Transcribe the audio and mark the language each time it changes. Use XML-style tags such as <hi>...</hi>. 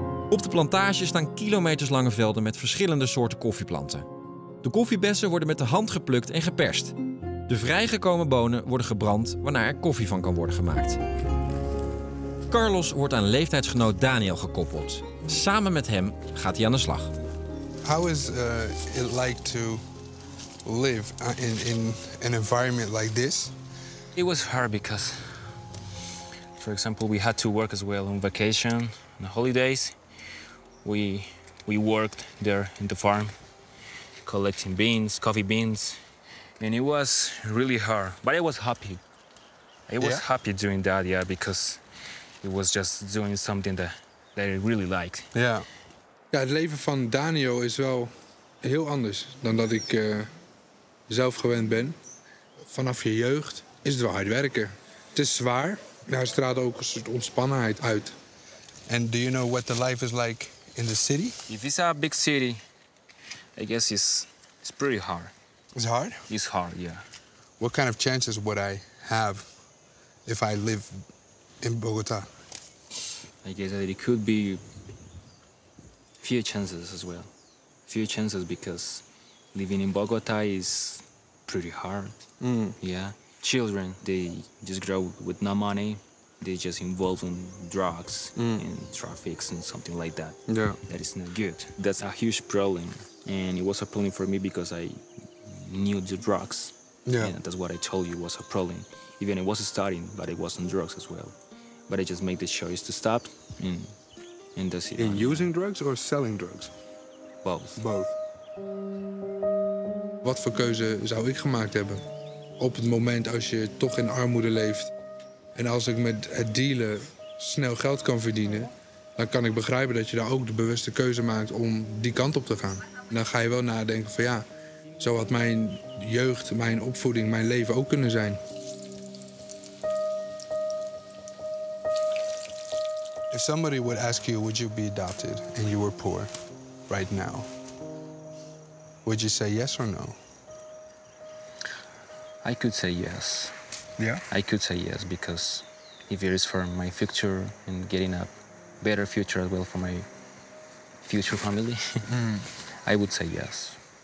<nl>Op de plantage staan kilometerslange velden met verschillende soorten koffieplanten. De koffiebessen worden met de hand geplukt en geperst. De vrijgekomen bonen worden gebrand, waarna er koffie van kan worden gemaakt. Carlos wordt aan leeftijdsgenoot Daniel gekoppeld. Samen met hem gaat hij aan de slag.</nl> <en>How is it like to live in an environment like this? It was hard because For example, we had to work as well on vacation, on the holidays. We worked there in the farm, collecting beans, coffee beans. And it was really hard, but I was happy. I was happy doing that, yeah, because it was just doing something that I really liked. Yeah. Ja, het leven van Daniel is wel heel anders dan dat ik zelf gewend ben. Vanaf je jeugd is het wel hard werken. Het is zwaar, maar hij straalt ook een soort ontspannenheid uit. And do you know what the life is like in the city? If it's a big city, I guess it's pretty hard. It's hard? It's hard, yeah. What kind of chances would I have if I live in Bogota? I guess that it could be few chances as well. Few chances because living in Bogota is pretty hard. Mm. Yeah. Children, they just grow with no money. They just involve in drugs and traffics and something like that. Yeah. That is not good. That's a huge problem. And it was a problem for me because I knew the drugs. Yeah. And that's what I told you was a problem. Even I was studying, but it was on drugs as well. But I just made the choice to stop and that's it. In using drugs or selling drugs? Both.</en> <nl>Wat voor keuze zou ik gemaakt hebben? Op het moment als je toch in armoede leeft en als ik met het dealen snel geld kan verdienen, dan kan ik begrijpen dat je daar ook de bewuste keuze maakt om die kant op te gaan. En dan ga je wel nadenken van ja, zo had mijn jeugd, mijn opvoeding, mijn leven ook kunnen zijn.</nl> <en>If somebody would ask you, would you be adopted and you were poor right now, would you say yes or no? I could say yes. Yeah? I could say yes, because if it is for my future and getting a better future as well for my future family, I would say yes.</en>